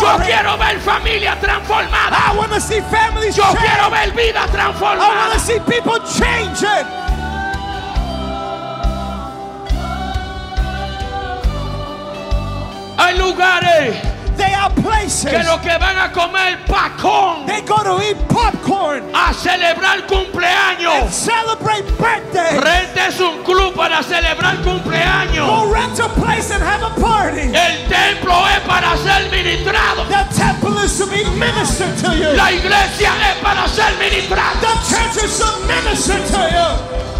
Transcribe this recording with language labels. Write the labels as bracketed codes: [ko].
[es] Yo quiero ver familia transformada. [en] I want to see families [es] Yo [en] change. [es] Quiero ver vida transformada. [en] I want to see people change it. [es] Hay lugares, [en] they are places, [es] que los que van a comer popcorn, [en] they go to eat popcorn, [es] a celebrar cumpleaños, [en] and celebrate birthdays. [es] Rentes un club para celebrar cumpleaños. [en] Go rent a place and have a party. [es] El templo es para ser ministrado. [en] The temple is to be ministered to you. [es] La iglesia es para ser ministrado. [en] The church is to minister to you.